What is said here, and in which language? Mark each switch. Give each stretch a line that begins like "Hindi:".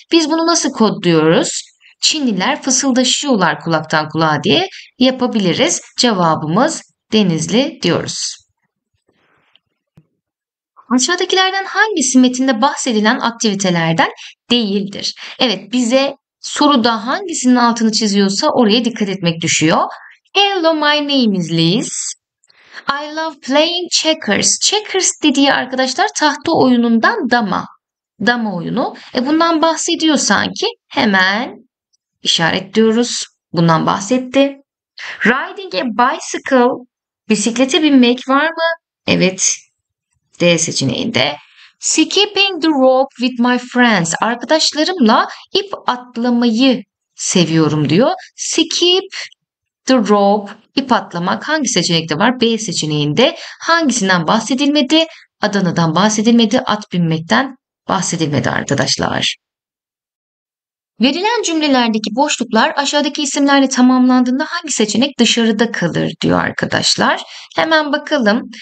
Turkish: Biz bunu nasıl kodluyoruz? Çinliler fısıldaşıyorlar kulaktan kulağa diye yapabiliriz. Cevabımız Denizli diyoruz. Aşağıdakilerden hangisi metinde bahsedilen aktivitelerden değildir? Evet, bize soruda hangisinin altını çiziyorsa oraya dikkat etmek düşüyor.
English: Hello, my name is Liz. I love playing checkers.
Turkish: Checkers dediği arkadaşlar tahta oyunundan dama. Dama oyunu. Bundan bahsediyor sanki. Hemen işaretliyoruz. Bundan bahsetti.
English: Riding a bicycle.
Turkish: Bisiklete binmek var mı? Evet. D seçeneğinde.
English: Skipping the rope with my friends.
Turkish: Arkadaşlarımla ip atlamayı seviyorum diyor.
English: Skip the rope.
Turkish: İp atlamak hangi seçenekte var? B seçeneğinde. Hangisinden bahsedilmedi? Adana'dan bahsedilmedi. At binmekten bahsedilmedi arkadaşlar. Verilen cümlelerdeki boşluklar aşağıdaki isimlerle tamamlandığında hangi seçenek dışarıda kalır diyor arkadaşlar. Hemen bakalım.